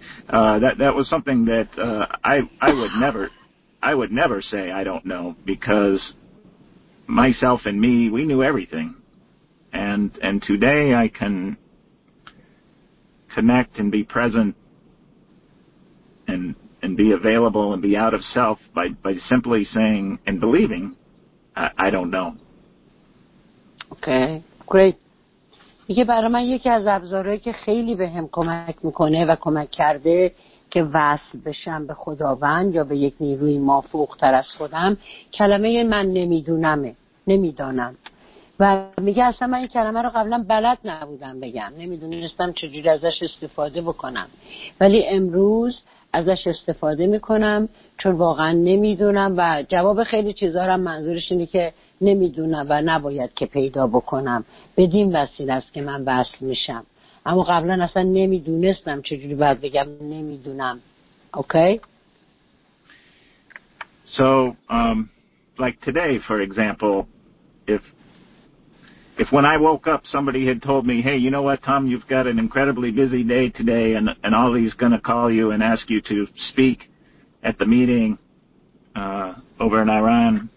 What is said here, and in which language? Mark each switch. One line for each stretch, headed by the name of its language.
English: that was something that I would never say I don't know, because myself and me, we knew everything. And today I can connect and be present and be available and be out of self by simply saying and believing, I don't know. Okay, great.
Persian: میگه برای من یکی از ابزارهایی که خیلی به هم کمک میکنه و کمک کرده که وصل بشم به خداوند یا به یک نیروی مافوق‌تر از خودم، کلمه من نمیدونمه، نمیدانم. و میگه اصلا من این کلمه رو قبلا بلد نبودم بگم، نمیدونستم چجوری ازش استفاده بکنم، ولی امروز ازش استفاده میکنم چون واقعا نمیدونم. و جواب خیلی چیزا رو منظورش اینه که نمیدونم و نباید که پیدا بکنم، بدین وسیله است که من وصل میشم. اما قبلا اصلا نمیدونستم چجوری باید بگم نمیدونم.
English: Okay? So like today for example, if when I woke up somebody had told me, hey, you know what, Tom, you've got an incredibly busy day today and Ollie's going to call you and ask you to speak at the meeting over in Iran.